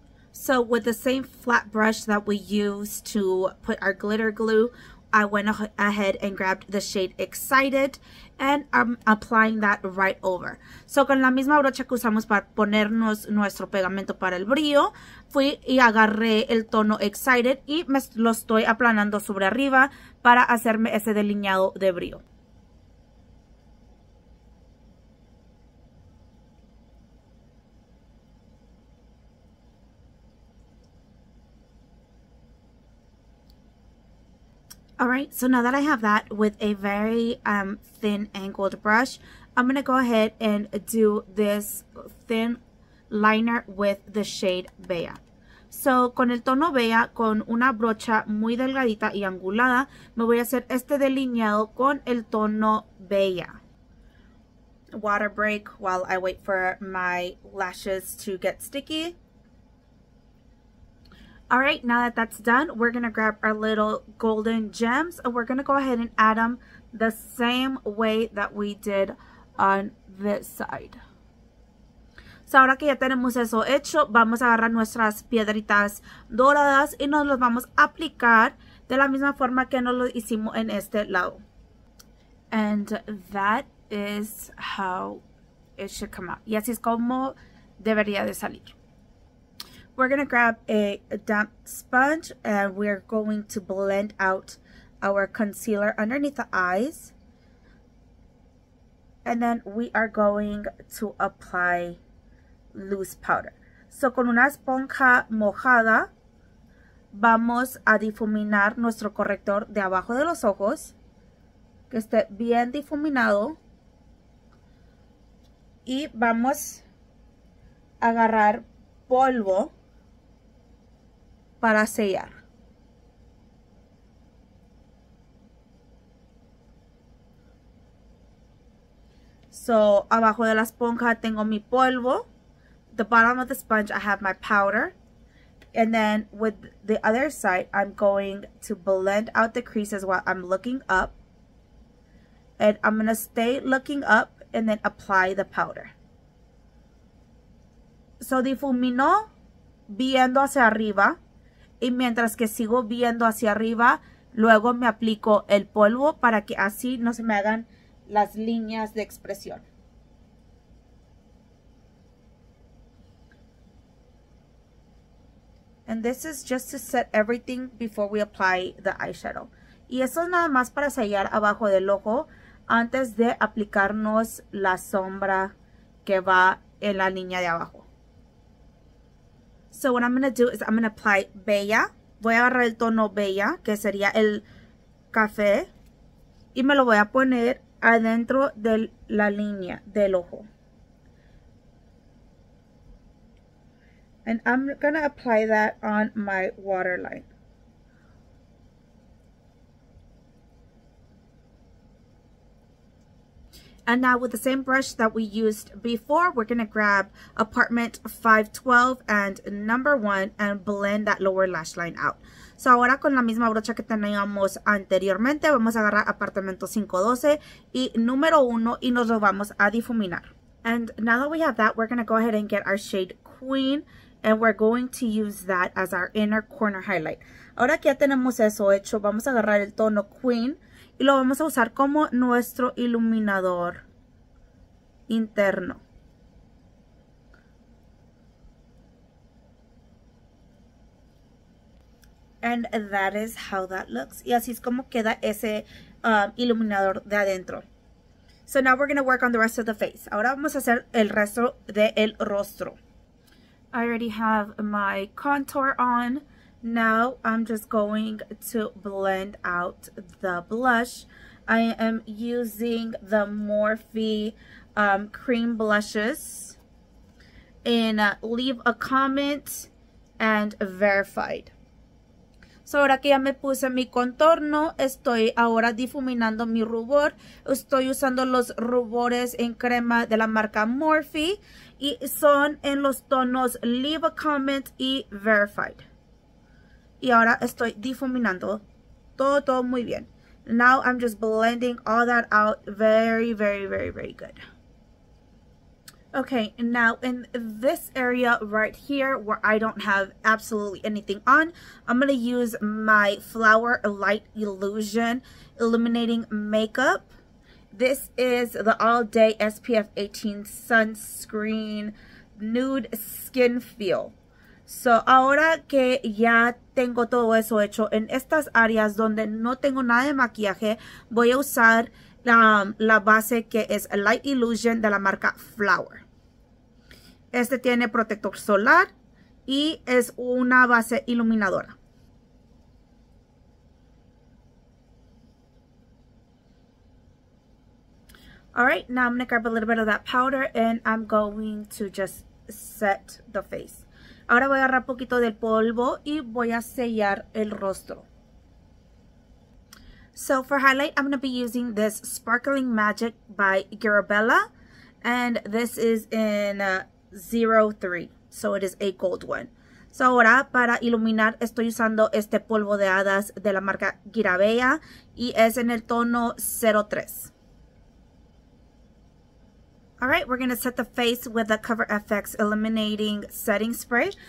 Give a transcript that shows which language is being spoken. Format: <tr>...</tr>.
<en>So with the same flat brush that we used to put our glitter glue, I went ahead and grabbed the shade Excited and I'm applying that right over.</en> <es>So con la misma brocha que usamos para ponernos nuestro pegamento para el brillo, fui y agarré el tono Excited y me lo estoy aplanando sobre arriba para hacerme ese delineado de brillo.</es> <en>Alright, so now that I have that with a very thin angled brush, I'm going to go ahead and do this thin liner with the shade Bella.</en> <es>So, con el tono Bella, con una brocha muy delgadita y angulada, me voy a hacer este delineado con el tono Bella.</es> <en>Water break while I wait for my lashes to get sticky. All right, now that that's done, we're going to grab our little golden gems and we're going to go ahead and add them the same way that we did on this side.</en> <es>So ahora que ya tenemos eso hecho, vamos a agarrar nuestras piedritas doradas y nos las vamos a aplicar de la misma forma que nos lo hicimos en este lado.</es> <en>And that is how it should come out.</en> <es>Y así es como debería de salir.</es> <en>We're going to grab a damp sponge and we're going to blend out our concealer underneath the eyes. And then we are going to apply loose powder.</en> <es>So con una esponja mojada, vamos a difuminar nuestro corrector de abajo de los ojos. Que esté bien difuminado. Y vamos a agarrar polvo para sellar. So, abajo de la esponja tengo mi polvo.</es> <en>The bottom of the sponge, I have my powder. And then with the other side, I'm going to blend out the creases while I'm looking up. And I'm going to stay looking up and then apply the powder.</en> <es>So difumino viendo hacia arriba. Y mientras que sigo viendo hacia arriba, luego me aplico el polvo para que así no se me hagan las líneas de expresión.</es> <en>And this is just to set everything before we apply the eyeshadow.</en> <es>Y eso es nada más para sellar abajo del ojo antes de aplicarnos la sombra que va en la línea de abajo.</es> <en>So what I'm going to do is I'm going to apply Bella.</en> <es>Voy a agarrar el tono Bella, que sería el café, y me lo voy a poner adentro de la línea del ojo.</es> <en>And I'm going to apply that on my waterline. And now with the same brush that we used before, we're going to grab apartment 512 and number 1 and blend that lower lash line out.</en> <es>So ahora con la misma brocha que teníamos anteriormente, vamos a agarrar apartamento 512 y número 1 y nos lo vamos a difuminar.</es> <en>And now that we have that, we're going to go ahead and get our shade Queen and we're going to use that as our inner corner highlight.</en> <es>Ahora que ya tenemos eso hecho, vamos a agarrar el tono Queen. Y lo vamos a usar como nuestro iluminador interno.</es> <en>And that is how that looks.</en> <es>Y así es como queda ese iluminador de adentro.</es> <en>So now we're going to work on the rest of the face.</en> <es>Ahora vamos a hacer el resto del rostro.</es> <en>I already have my contour on. Now I'm just going to blend out the blush. I am using the Morphe cream blushes in Leave a Comment and Verified.</en> <es>So ahora que ya me puse mi contorno, estoy ahora difuminando mi rubor. Estoy usando los rubores en crema de la marca Morphe y son en los tonos Leave a Comment y Verified. Y ahora estoy difuminando todo muy bien.</es> <en>Now I'm just blending all that out very, very, very, very good. Okay, now in this area right here where I don't have absolutely anything on, I'm going to use my Flower Light Illusion Illuminating Makeup. This is the All Day SPF 18 Sunscreen Nude Skin Feel.</en> <es>So, ahora que ya tengo todo eso hecho, en estas áreas donde no tengo nada de maquillaje, voy a usar la base que es Light Illusion de la marca Flower. Este tiene protector solar y es una base iluminadora.</es> <en>Alright, now I'm going to grab a little bit of that powder and I'm going to just set the face.</en> <es>Ahora voy a agarrar un poquito del polvo y voy a sellar el rostro.</es> <en>So for highlight, I'm going to be using this Sparkling Magic by Girabella. And this is in 03. So it is a gold one.</en> <es>So ahora para iluminar estoy usando este polvo de hadas de la marca Girabella. Y es en el tono 03.</es> <en>Alright, we're going to set the face with the Cover FX Illuminating Setting Spray.</en>